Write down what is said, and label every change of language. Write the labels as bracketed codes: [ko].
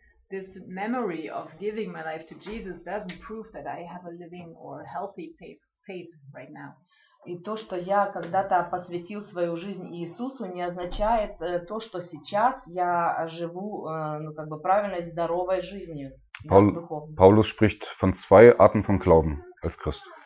[en] This memory of giving my life to Jesus doesn't prove that I have a living or healthy faith right now. [ru] И то, что я когда-то посвятил свою жизнь Иисусу, не означает то, что сейчас я живу ну как бы правильной здоровой жизнью. [de] Paulus spricht von zwei Arten von Glauben als Christ.